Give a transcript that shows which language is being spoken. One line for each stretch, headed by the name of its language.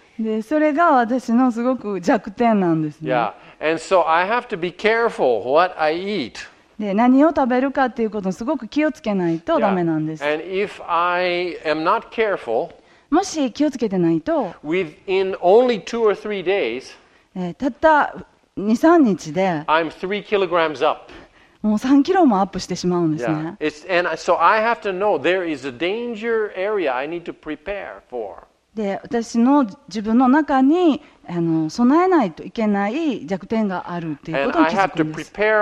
Japanese: で、それが私のすごく弱点なんですね。
English: Yeah, and so I have to be careful what I eat.
Japanese: で何を食べるかっていうことをすごく気をつけないとダメなんです。
English: Yeah. And if I am not careful,
Japanese: もし気をつけてないと、
English: within only two or three days,
Japanese: たった2、3日で、
English: I'm 3 kilograms up.
Japanese: もう3キロもアップしてしまうんですね。
English: Yeah. And so I have to know there is a danger area I need to prepare for.
Japanese: で私の自分の中に備えないといけない弱点があるということに気づくんです。